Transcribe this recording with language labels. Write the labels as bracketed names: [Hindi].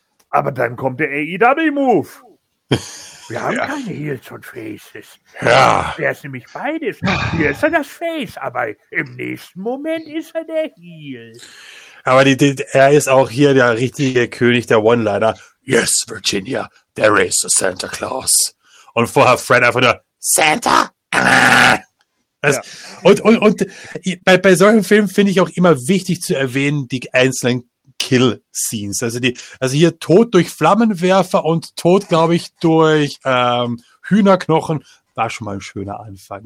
[German] Aber dann kommt der AEW-Move. Wir haben keine Heels und Faces. Ja. Der ist nämlich beides. Hier ist er das Face, aber im nächsten Moment ist er der Heel. Aber er ist auch hier der richtige König der One-Liner. [English] Yes, Virginia, there is a Santa Claus. [German] Und vorher Fred einfach nur, Santa? Also, ja. Und bei solchen Filmen finde ich auch immer wichtig zu erwähnen, die einzelnen Kill-Scenes. Also hier Tod durch Flammenwerfer und Tod, glaube ich, durch Hühnerknochen, war schon mal ein schöner Anfang.